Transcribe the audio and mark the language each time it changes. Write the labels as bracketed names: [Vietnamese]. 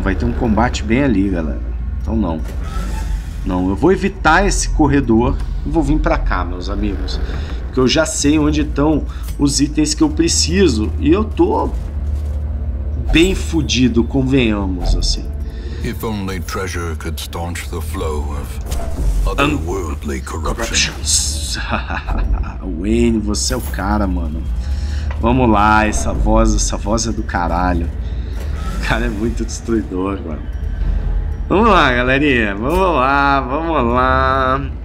[Portuguese] Vai ter um combate bem ali, galera. Então, não. Não, eu vou evitar esse corredor e vou vir pra cá, meus amigos. Porque eu já sei onde estão os itens que eu preciso. E eu tô bem fudido, convenhamos, assim. [English] If only treasure could staunch the flow of otherworldly corruptions. [Portuguese] Wayne, você é o cara, mano. Vamos lá, essa voz é do caralho. O cara é muito destruidor, mano. Vamos lá, galerinha. Vamos lá.